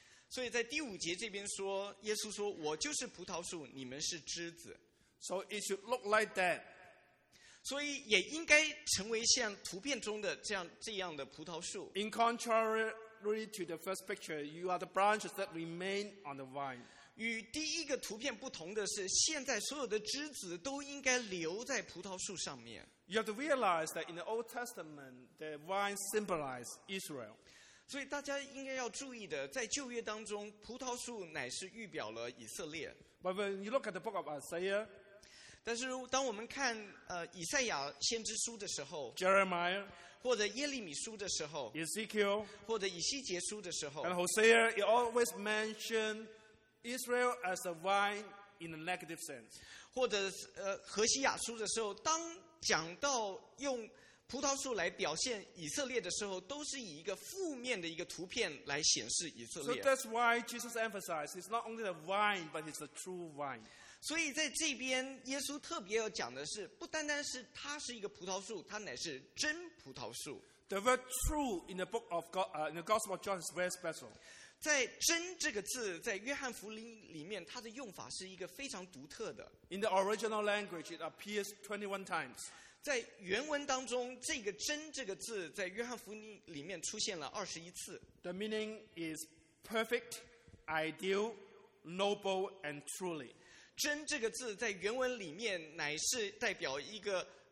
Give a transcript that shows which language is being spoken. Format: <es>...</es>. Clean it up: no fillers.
<zh>所以在第五节这边说，耶稣说，我就是葡萄树，你们是枝子。</zh> <en>So it should look like that.</en> <zh>所以也应该成为像图片中的这样的葡萄树。</zh> <en>In contrary to the first picture, you are the branches that remain on the vine.</en> <zh>与第一个图片不同的是，现在所有的枝子都应该留在葡萄树上面。</zh> <en>You have to realize that in the Old Testament, the vine symbolized Israel.</en> <zh>所以大家应该要注意的，在旧约当中，葡萄树乃是预表了以色列。</zh> <en>But when you look at the book of Isaiah,</en> <zh>但是当我们看以赛亚先知书的时候</zh> <en>，Jeremiah，</en> <zh>或者耶利米书的时候</zh> <en>，Ezekiel，</en> <zh>或者以西结书的时候</zh> <en>，and Hosea， it always mentioned Israel as a vine in a negative sense，</en> <zh>或者何西亚书的时候，当讲到用葡萄树来表现以色列的时候，都是以一个负面的一个图片来显示以色列。</zh> <en>So that's why Jesus emphasized it's not only the vine, but it's the true vine.</en> <zh>所以在这边，耶稣特别要讲的是，不单单是它是一个葡萄树，它乃是真葡萄树。</zh> <en>The word true in the book of God, in the Gospel of John is very special.</en> <zh>在真这个字在约翰福音里面，它的用法是一个非常独特的。</zh> <en>In the original language, it appears 21 times.</en> <zh>在原文当中，这个真这个字在约翰福音里面出现了21次。</zh> <en>The meaning is perfect, ideal, noble, and truly.</en> <zh>真这个字在原文里面乃是代表一个</zh>